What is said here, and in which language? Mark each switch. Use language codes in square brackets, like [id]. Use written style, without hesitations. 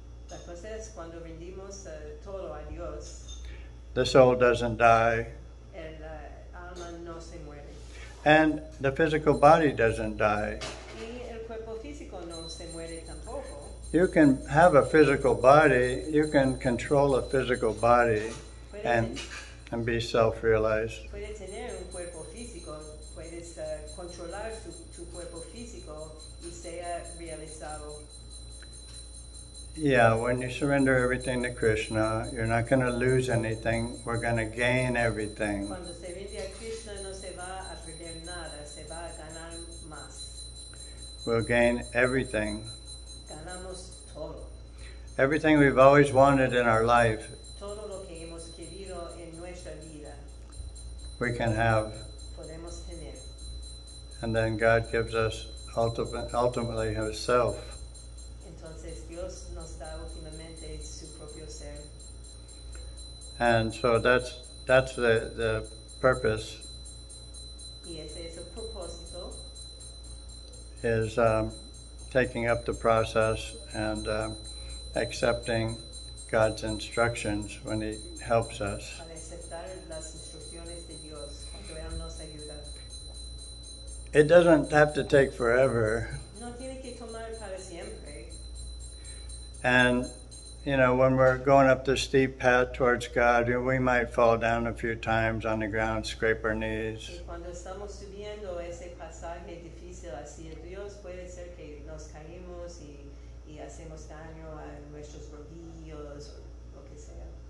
[es] la cosa es cuando rendimos, todo a Dios, [en] the soul doesn't die. [es] El, alma no se muere. [en] And the physical body doesn't die. [es] Y el cuerpo físico no se muere tampoco. [en] You can have a physical body, you can control a physical body, and be self-realized. [es] Puede tener un cuerpo físico, puedes controlar tu cuerpo físico y sea realizado. [en] Yeah, when you surrender everything to Krishna, you're not going to lose anything, we're going to gain everything. [es] Cuando se rinde a Krishna, no se va a perder nada, se va a ganar más. [en] We'll gain everything. [es] Ganamos todo. [en] Everything we've always wanted in our life, [es] todo lo que hemos querido en nuestra vida, [en] we can have. [es] Podemos tener. [en] And then God gives us ultimately himself. [es] Entonces Dios nos da últimamente su propio ser. [en] And so that's the purpose. [es] Y ese es el propósito. [en] Is taking up the process and accepting God's instructions when he helps us. [es] Para aceptar las instrucciones de Dios cuando él nos ayuda. [en] It doesn't have to take forever. [es] No tiene que tomar para siempre. [en] And, you know, when we're going up the steep path towards God, we might fall down a few times on the ground, scrape our knees. [es] Y cuando estamos subiendo ese pasaje difícil hacia Dios, puede ser que nos caímos y hacemos daño a nuestros rodillos o lo que sea.